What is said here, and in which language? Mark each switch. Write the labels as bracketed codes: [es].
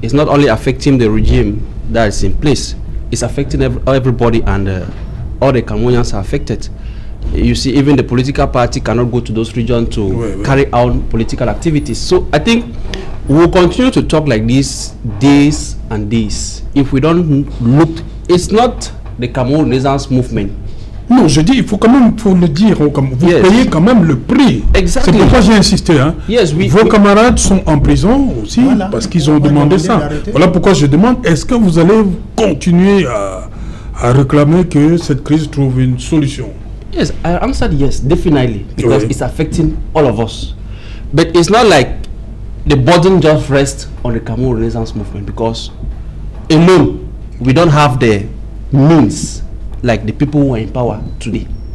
[en] It's not only affecting the regime that is in place. It's affecting everybody, and all the Cameroonians are affected. You see, even the political party cannot go to those regions to carry out political activities. So I think we'll continue to talk like this days and days. If we don't look, it's not the Cameroonians' movement. [fr] Non, je dis, il faut quand même, pour le dire, vous payez quand même le prix. [en] Exactly. [fr] C'est pourquoi j'ai insisté. Hein. [en] Yes, [fr] vos camarades sont en prison aussi, voilà, parce qu'ils ont demandé ça. Voilà pourquoi je demande, est-ce que vous allez continuer à réclamer que cette crise trouve une solution? [en] Yes, I answered yes, definitely, because it's affecting all of us. But it's not like the burden just rests on the Cameroon Renaissance Movement, because alone, we don't have the means like the people who are in power today.